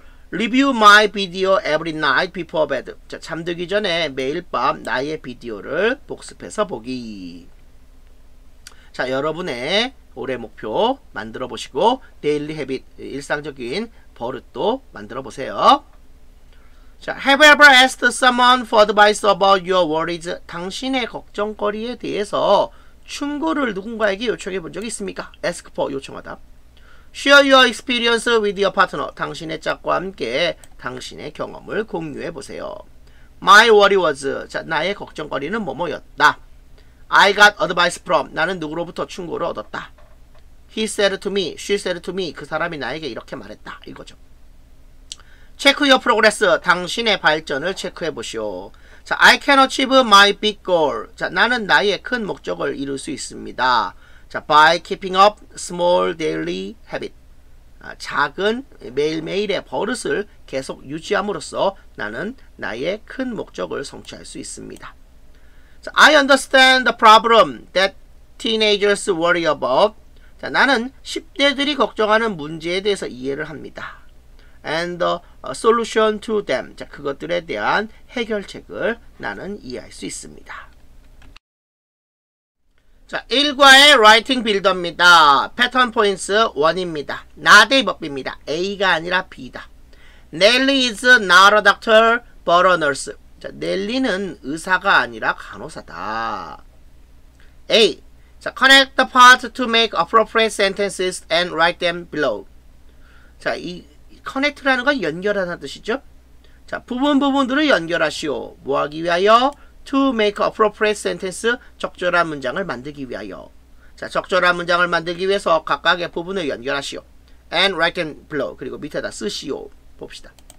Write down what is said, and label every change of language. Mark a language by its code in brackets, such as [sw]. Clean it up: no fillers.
[en] Review my video every night before bed. [ko] 자, 잠들기 전에 매일 밤 나의 비디오를 복습해서 보기. 자, 여러분의 올해 목표 만들어 보시고 데일리 해빗, 일상적인 버릇도 만들어 보세요. [en] 자, Have you ever asked someone for advice about your worries? [ko] 당신의 걱정거리에 대해서 충고를 누군가에게 요청해 본 적이 있습니까? [en] Ask for, [ko] 요청하다. [en] Share your experience with your partner. [ko] 당신의 짝과 함께 당신의 경험을 공유해 보세요. [en] My worry was. [ko] 자, 나의 걱정거리는 뭐뭐였다. [en] I got advice from. [ko] 나는 누구로부터 충고를 얻었다. [en] He said to me. She said to me. [ko] 그 사람이 나에게 이렇게 말했다. 이거죠. [en] Check your progress. [ko] 당신의 발전을 체크해 보시오. [en] 자, I can achieve my big goal. [ko] 자, 나는 나의 큰 목적을 이룰 수 있습니다. [en] 자, by keeping up small daily habit. [ko] 아, 작은 매일매일의 버릇을 계속 유지함으로써 나는 나의 큰 목적을 성취할 수 있습니다. [en] 자, I understand the problem that teenagers worry about. [ko] 자, 나는 10대들이 걱정하는 문제에 대해서 이해를 합니다. [en] And the solution to them. [ko] 자, 그것들에 대한 해결책을 나는 이해할 수 있습니다. 자, 1과의 라이팅 빌더입니다. 패턴 포인트 1입니다. 나대의 법입니다. A가 아니라 B다. [en] Nelly is not a doctor but a nurse. [ko] 자, Nelly는 의사가 아니라 간호사다. A. [en] 자, connect the parts to make appropriate sentences and write them below. [ko] 자, 이 connect라는 건 연결하다는 뜻이죠. 자, 부분 부분들을 연결하시오. 뭐 하기 위하여? [en] To make appropriate sentence, [ko] 적절한 문장을 만들기 위하여. 자, 적절한 문장을 만들기 위해서 각각의 부분을 연결하시오. [en] And write them below. [ko] 그리고 밑에다 쓰시오. 봅시다.